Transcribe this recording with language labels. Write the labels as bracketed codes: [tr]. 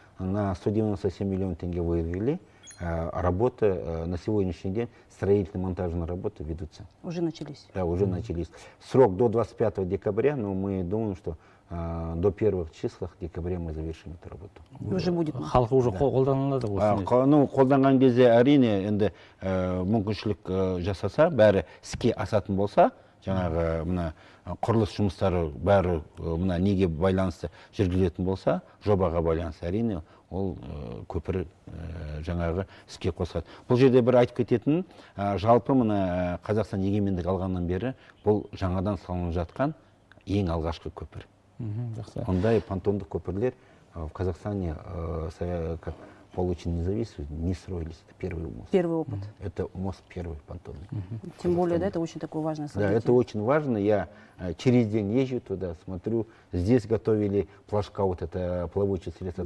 [ru] На 197 миллионов тенге выявили. Работа на сегодняшний день, строительно-монтажные работы ведутся. Уже начались? Да, уже начались. Срок до 25 декабря, но мы думаем, что до первых числ декабря мы завершим эту работу. Уже будет. [kk] Халк уже қолданылады. Ну, қолданған кезде, әрине, енді мүмкіншілік жасаса, бәрі іске асатын болса, жаңағы мына құрылыс жұмыстары бәрі мына неге байланысты жүргізілетін болса, жобаға байланысты, әрине, ол көпір жаңағы іске қосылады. Бұл жерде бір айтып кететін, жалпы мына Қазақстан егемендік алғаннан бері бұл жаңадан салынып жатқан ең алғашқы көпір. Ондай понтондық көпірлер [ru] в Казахстане как получен независимость, не строились. Это первый мост. Первый опыт. Это мост первый понтонный. Тем более, да, это очень такое важное событие. Да, это очень важно. Я через день езжу туда, смотрю. Здесь готовили плашка, вот это плавучее средство.